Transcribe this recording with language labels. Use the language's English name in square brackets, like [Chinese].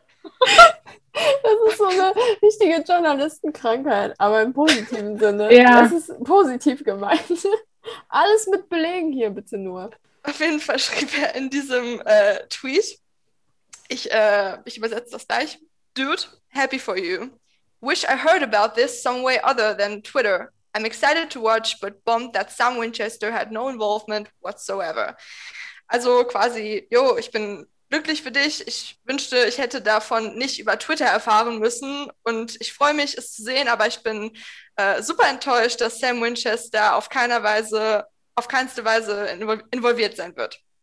[German] Das ist so eine richtige Journalistenkrankheit, aber im positiven Sinne. Es Ja. ist positiv gemeint. Alles mit Belegen hier, bitte nur. Auf jeden Fall schrieb er in diesem Tweet, ich übersetze das gleich, [English] Dude, happy for you. Wish I heard about this some way other than Twitter. I'm excited to watch, but bummed that Sam Winchester had no involvement whatsoever. [German] Also quasi, jo, ich bin glücklich für dich. Ich wünschte, ich hätte davon nicht über Twitter erfahren müssen. Und ich freue mich, es zu sehen, aber ich bin super enttäuscht, dass Sam Winchester auf keinste Weise involviert sein wird.